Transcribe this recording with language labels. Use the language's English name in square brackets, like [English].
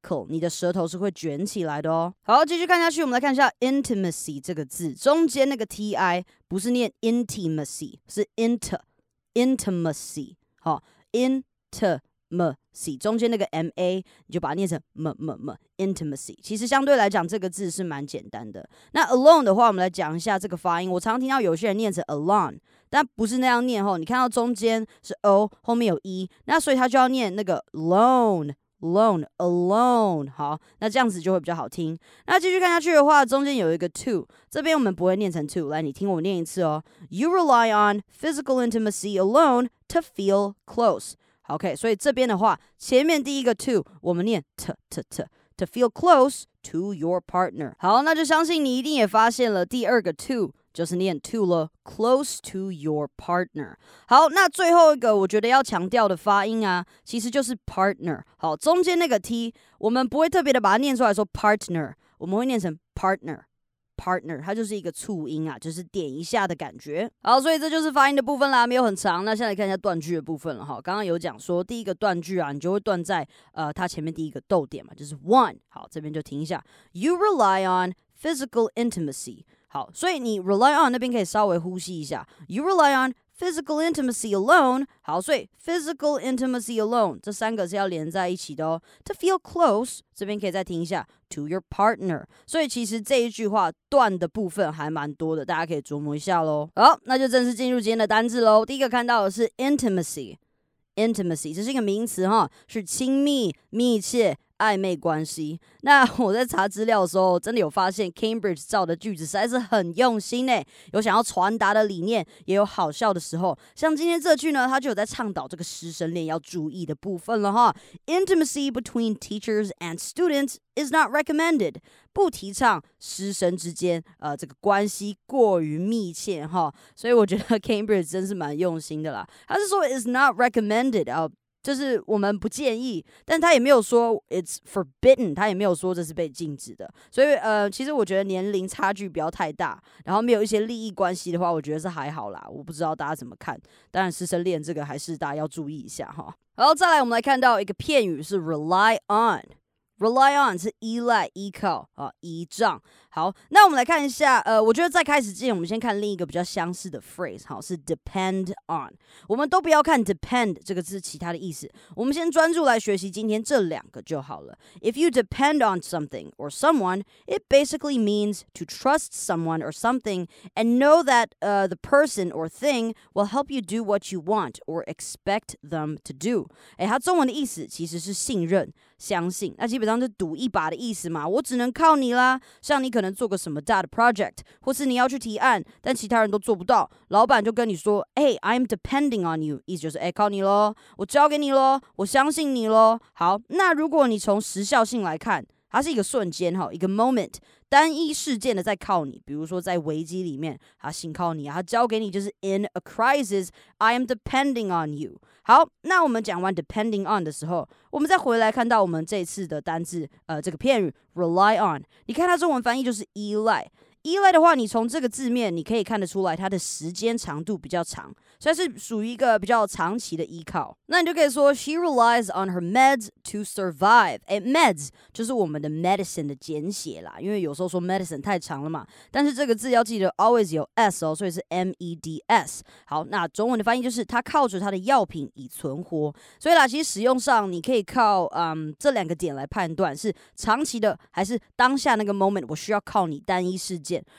[Chinese] 你的舌头是会卷起来的哦。好，继续看下去，我们来看一下 intimacy 这个字，中间那个 ti 不是念 intimacy， 是 intimacy。好 ，intimacy， 中间那个 ma 你就把它念成 m intimacy。其实相对来讲，这个字是蛮简单的。那 alone 的话，我们来讲一下这个发音。我常听到有些人念成 alone， 但不是那样念哦。你看到中间是 o， 后面有 e， 那所以它就要念那个 lone。 Alone, alone， 好，那这样子就会比较好听。那继续看下去的话，中间有一个 two， 这边我们不会念成 two， 来，你听我念一次哦。 [English] You rely on physical intimacy alone to feel close. [Chinese] OK， 所以这边的话，前面第一个 two， 我们念 t [English] to feel close to your partner. [Chinese] 好，那就相信你一定也发现了第二个 two。就是念 to 了 ， [English] close to your partner。 [Chinese] 好，那最后一个我觉得要强调的发音啊，其实就是 partner。好，中间那个 t， 我们不会特别的把它念出来说 partner， 我们会念成 partner， 它就是一个促音啊，就是点一下的感觉。好，所以这就是发音的部分啦，没有很长。那现在来看一下断句的部分了哈。刚刚有讲说第一个断句啊，你就会断在它前面第一个逗点嘛，就是 one。好，这边就停一下 ， [English] You rely on physical intimacy。 [Chinese] 好，所以你 rely on 那边可以稍微呼吸一下。 [English] You rely on physical intimacy alone. [Chinese] 好，所以 [English] physical intimacy alone [Chinese] 这三个是要连在一起的哦。 [English] To feel close， [Chinese] 这边可以再听一下 [English] to your partner. [Chinese] 所以其实这一句话断的部分还蛮多的，大家可以琢磨一下咯。好，那就正式进入今天的单字咯。第一个看到的是 intimacy。 Intimacy 这是一个名词哈，是亲密、密切、暧昧关系。那我在查资料的时候，真的有发现 Cambridge 造的句子实在是很用心呢，有想要传达的理念，也有好笑的时候。像今天这句呢，他就有在倡导这个师生恋要注意的部分了哈。 [English] Intimacy between teachers and students is not recommended， [Chinese] 不提倡师生之间这个关系过于密切哈。所以我觉得 Cambridge 真是蛮用心的啦。他是说 [English] is not recommended [Chinese] 啊。就是我们不建议，但他也没有说 [English] it's forbidden， [Chinese] 他也没有说这是被禁止的。所以其实我觉得年龄差距不要太大，然后没有一些利益关系的话，我觉得是还好啦。我不知道大家怎么看，当然师生恋这个还是大家要注意一下哈。好，再来我们来看到一个片语是 rely on。Rely on 是依赖、依靠、依仗。好，那我们来看一下，我觉得在开始之前，我们先看另一个比较相似的 phrase， 好，是 depend on。我们都不要看 depend 这个字其他的意思，我们先专注来学习今天这两个就好了。 [English] If you depend on something or someone, it basically means to trust someone or something and know that the person or thing will help you do what you want or expect them to do。 [Chinese] 哎，它中文的意思其实是信任、相信。那基本上是赌一把的意思嘛，我只能靠你啦。像你可能做个什么大的 project， 或是你要去提案，但其他人都做不到，老板就跟你说：“哎、 [English] hey, ，I'm depending on you。” [Chinese] 意思就是哎，靠你咯，我交给你咯，我相信你咯。好，那如果你从时效性来看，它是一个瞬间哈，一个 moment， 单一事件的在靠你。比如说在危机里面，他信靠你啊，他交给你就是 [English] in a crisis， I am depending on you。 [Chinese] 好，那我们讲完 depending on 的时候，我们再回来看到我们这次的单字，这个片语 rely on。你看它中文翻译就是依赖。依赖的话，你从这个字面你可以看得出来，它的时间长度比较长，所以是属于一个比较长期的依靠。那你就可以说 [English] ，She relies on her meds to survive。 [Chinese] 哎 ，meds 就是我们的 medicine 的简写啦，因为有时候说 medicine 太长了嘛。但是这个字要记得 always 有 s 哦，所以是 meds。好，那中文的翻译就是她靠着她的药品以存活。所以啦，其实使用上你可以靠这两个点来判断是长期的还是当下那个 moment 我需要靠你单一事件。